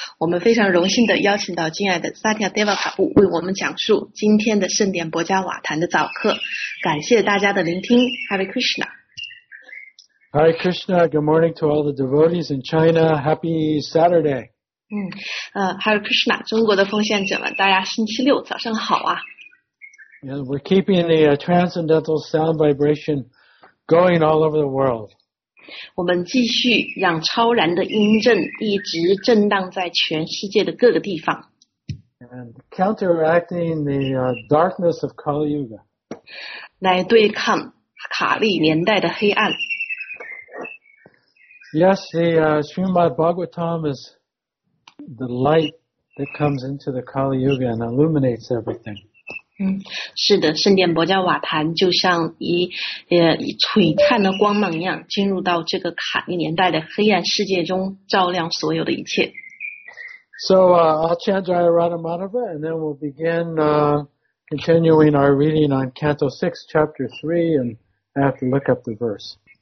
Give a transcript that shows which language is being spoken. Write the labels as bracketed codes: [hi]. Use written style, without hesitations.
[zh] 我们非常荣幸地邀请到敬爱的萨提亚·德瓦卡布为我们讲述今天的圣殿博加瓦坛的早课。感谢大家的聆听 ，Hare Krishna。 [en] Hare Krishna, good morning to all the devotees in China. Happy Saturday. [zh] Hare Krishna, 中国的奉献者们，大家星期六早上好啊。 [en] Yeah, we're keeping the transcendental sound vibration going all over the world. [zh] 我们继续让超然的音震一直震荡在全世界的各个地方。 [en] And counteracting the darkness of Kali Yuga. [zh] 来对抗卡利年代的黑暗。 [en] Yes, the Srimad Bhagavatam is the light that comes into the Kali Yuga and illuminates everything. [zh] 是的，圣殿博加瓦坛就像以璀璨的光芒一样，进入到这个卡利年代的黑暗世界中，照亮所有的一切。 [en] So, I'll chant Jaya Radha Madhava, and then we'll begin continuing our reading on Canto 6, Chapter 3, and I have to look up the verse.